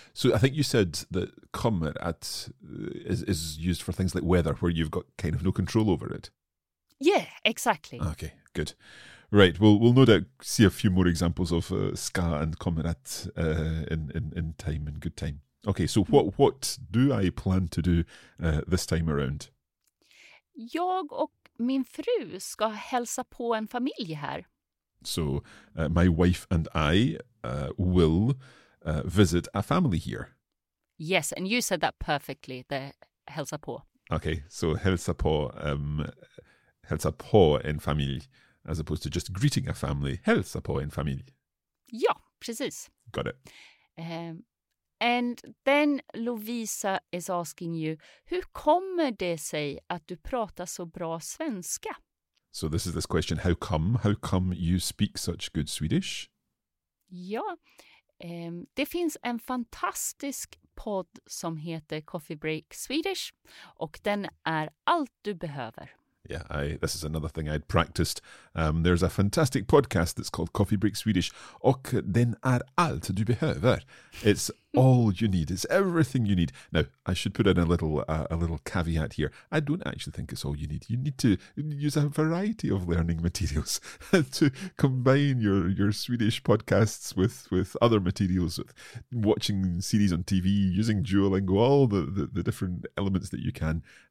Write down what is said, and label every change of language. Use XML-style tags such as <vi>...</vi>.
<en>So I think you said that kommer at is used for things like weather where you've got kind of no control over it. Yeah, exactly. Okay, good. Right, we'll no doubt see a few more examples of ska and kommer at in time, in good time. Okay, so what do I plan to do this time around?</en> <sv>Jag och min fru ska hälsa på en familj här.</sv> <en>So, my wife and I will visit a family here. Yes, and you said that perfectly, the hälsa på. Okay, so hälsa på...</en> <sv>Hälsa på en familj,</sv> <en>as opposed to just greeting a family.</en> <sv>Hälsa på en familj. Ja, precis.</sv> <en>Got it. And then Lovisa is asking you,</en> <sv>hur kommer det sig att du pratar så bra svenska?</sv> <en>So this is this question, how come? How come you speak such good Swedish?</en> <sv>Ja, det finns en fantastisk podd som heter Coffee Break Swedish. Och den är allt du behöver.</sv> <en>Yeah, this is another thing I'd practiced. There's a fantastic podcast that's called Coffee Break Swedish.</en> <sv>Och den är allt du behöver.</sv> <en>It's all you need. It's everything you need. Now, I should put in a little caveat here. I don't actually think it's all you need. You need to use a variety of learning materials to combine your Swedish podcasts with other materials, with watching series on TV, using Duolingo, all the different elements that you can.</en>